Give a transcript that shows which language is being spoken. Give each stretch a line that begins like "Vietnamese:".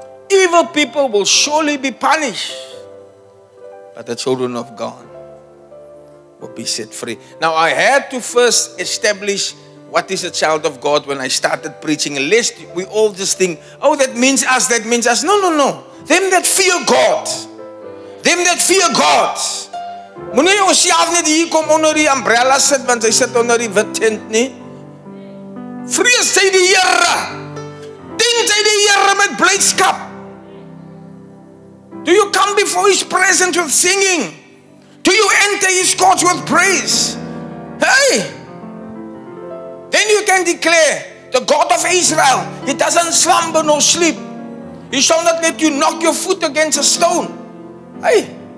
English: Evil people will surely be punished, but the children of God will be set free. Now I had to first establish what is a child of God when I started preaching, lest we all just think, oh, that means us. No, no, no. Them that fear God. Them that fear God.
Afrikaans: Moenie ons self net hier kom onder die umbrella sit, want hy sit onder die wit tent nie. Vrees hy die Here. Dien hy die Here met blydskap.
English: Do you come before His presence with singing? Do you enter His courts with praise? Hey! Then you can declare, the God of Israel, He doesn't slumber nor sleep. He shall not let you knock your foot against a stone. Hey.